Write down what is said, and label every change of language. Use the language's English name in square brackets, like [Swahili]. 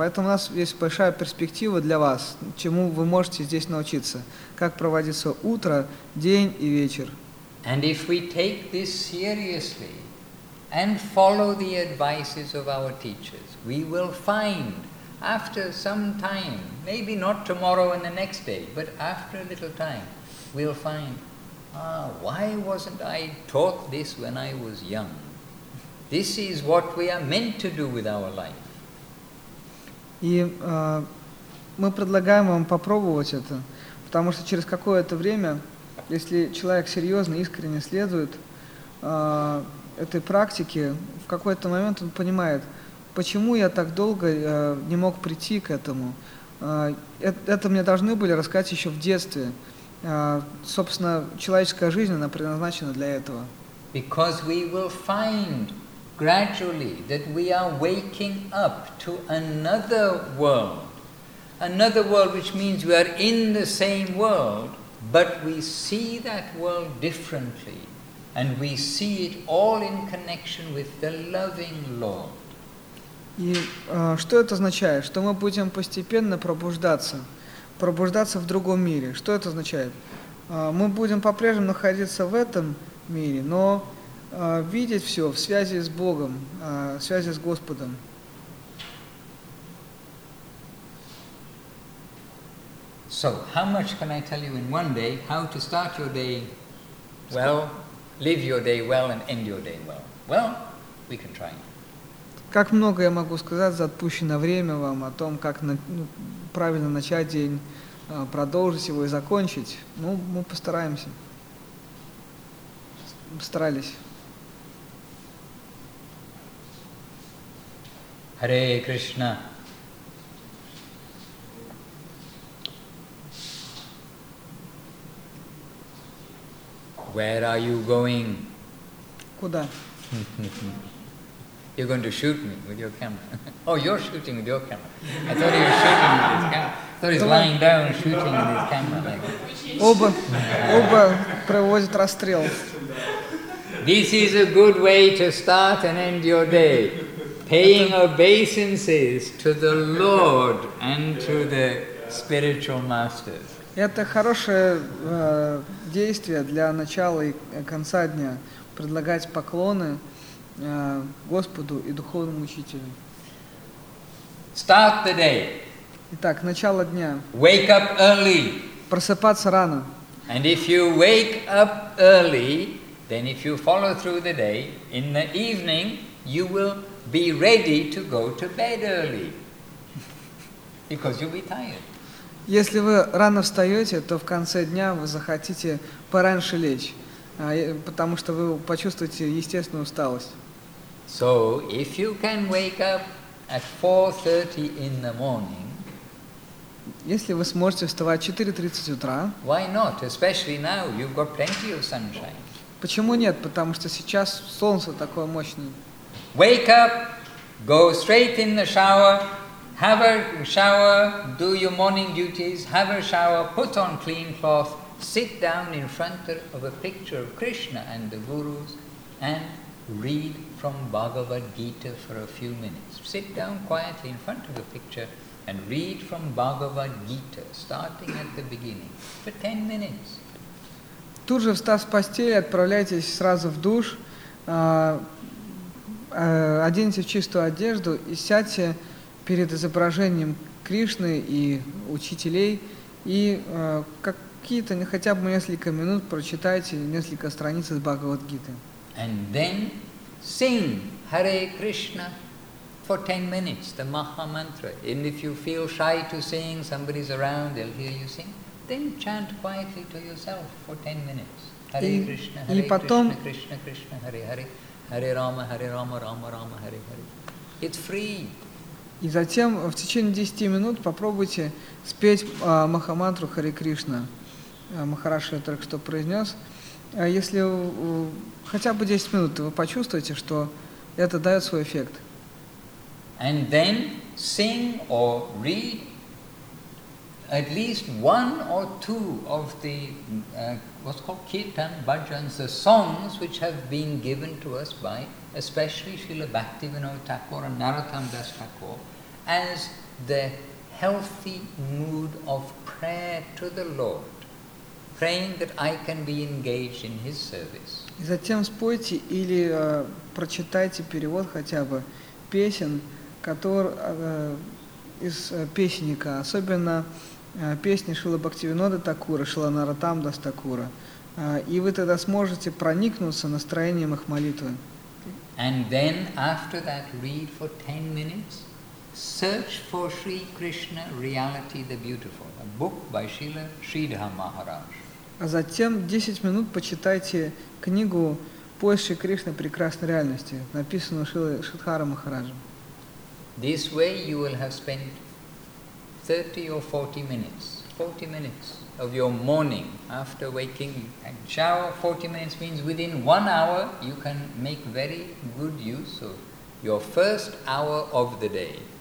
[Russian] Поэтому у нас есть большая перспектива для вас, чему вы можете здесь научиться, как проводится утро, день и вечер. [English] And if we take this seriously and follow the advices of our teachers, we will find after some time, maybe not tomorrow and the next day, but after a little time, we'll find, why wasn't I taught this when I was young? This is what we are meant to do with our life. [Russian] И мы предлагаем вам попробовать это, потому что через какое-то время, если человек серьезно, искренне следует этой практике, в какой-то момент он понимает, почему я так долго не мог прийти к этому. Это мне должны были рассказать еще в детстве. Собственно, человеческая жизнь, она предназначена для этого. [English] Because we will find gradually that we are waking up to another world. Another world, which means we are in the same world, but we see that world differently. And we see it all in connection with the loving Lord. [Russian] И что это означает? Что мы будем постепенно пробуждаться в другом мире. Что это означает? Мы будем по-прежнему находиться в этом мире, но видеть все в связи с Богом, в связи с Господом. [English] So, how much can I tell you in one day how to start your day well, live your day well and end your day well? Well, we can try. [Russian] Как много я могу сказать за отпущенное время вам о том, как правильно начать день, продолжить его и закончить? Ну, мы постараемся. Старались. Харе Кришна. [English] Where are you going? [Russian] Куда? [English] You're going to shoot me with your camera. Oh, you're shooting with your camera. I thought he was shooting with his camera. I thought he's lying down shooting with his camera. Like. [Russian] Оба проводят расстрел. [English] This is a good way to start and end your day. Paying obeisances to the Lord and to the spiritual masters. [Russian] Это хорошее действие для начала и конца дня. Предлагать поклоны Господу и духовному учителю. [English] Start the day. [Russian] Итак, начало дня. [English] Wake up early. [Russian] Просыпаться рано. [English] And if you wake up early, then if you follow through the day, in the evening you will be ready to go to bed early. Because you'll be tired. [Russian] Если вы рано встаете, то в конце дня вы захотите пораньше лечь, потому что вы почувствуете естественную усталость. [English] So, if you can wake up at 4:30 in the morning, [Russian] если вы сможете вставать в 4:30 утра, [English] why not? Especially now, you've got plenty of sunshine. [Russian] Почему нет? Потому что сейчас солнце такое мощное. [English] Wake up, go straight in the shower, have a shower, do your morning duties, have a shower, put on clean cloth, sit down in front of a picture of Krishna and the gurus and read from Bhagavad Gita for a few minutes. Sit down quietly in front of a picture and read from Bhagavad Gita, starting at the beginning, for 10 minutes. [Russian] Тут же, встав с постели, отправляйтесь сразу в душ, оденьте в чистую одежду и сядьте перед изображением Кришны и учителей, и какие-то, хотя бы несколько минут, прочитайте несколько страниц из Бхагавад-гиты. [English] And then sing Hare Krishna for 10 minutes, the Maha Mantra. And if you feel shy to sing, somebody's around, they'll hear you sing. Then chant quietly to yourself for 10 minutes. Hare Krishna, Hare Krishna, [Russian] потом... [English] Krishna, Krishna, Hare Hare. Hare Rama, Hare Rama, Rama Rama, Hare Hare. It's free. [Russian] И затем в течение 10 минут попробуйте спеть Махамантру Харе Кришна. Махараш ее только что произнес. Если хотя бы 10 минут, вы почувствуете, что это дает свой эффект. [English] And then sing or read at least one or two of the what's called Kirtan Bhajans, the songs which have been given to us by especially Srila Bhaktivinoda Thakur and Narottam Das Thakur as the healthy mood of prayer to the Lord, praying that I can be engaged in His service. [Russian] И затем спойте или прочитайте перевод хотя бы песен, который из песенника, особенно песни Шрилы Бхактивинода Такура, Шрилы Нараттамдаса Такура, и вы тогда сможете проникнуться настроением их молитвы. [English] And then after that read for 10 minutes, search for Sri Krishna Reality the Beautiful, a book by Srila Sridhar Maharaj. [Russian] А затем 10 минут почитайте книгу «Поиск Кришны прекрасной реальности», написанную Шридхаром Махараджем. [English] This way you will have spent 30 or 40 minutes, 40 minutes of your morning after waking and shower. 40 minutes means within 1 hour you can make very good use of your first hour of the day.